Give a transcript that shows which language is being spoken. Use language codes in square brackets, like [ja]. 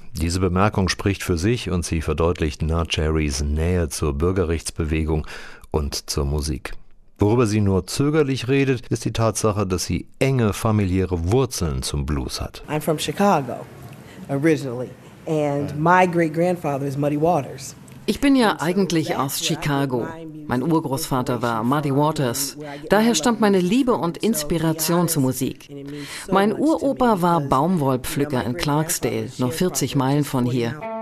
[de] Diese Bemerkung spricht für sich und sie verdeutlicht Nah Jerrys Nähe zur Bürgerrechtsbewegung und zur Musik. Worüber sie nur zögerlich redet, ist die Tatsache, dass sie enge familiäre Wurzeln zum Blues hat. [en] I'm from Chicago originally and my great-grandfather is Muddy Waters. [de] Ich bin ja eigentlich aus Chicago. Mein Urgroßvater war Muddy Waters. Daher stammt meine Liebe und Inspiration zur Musik. Mein Uropa war Baumwollpflücker in Clarksdale, nur 40 Meilen von hier.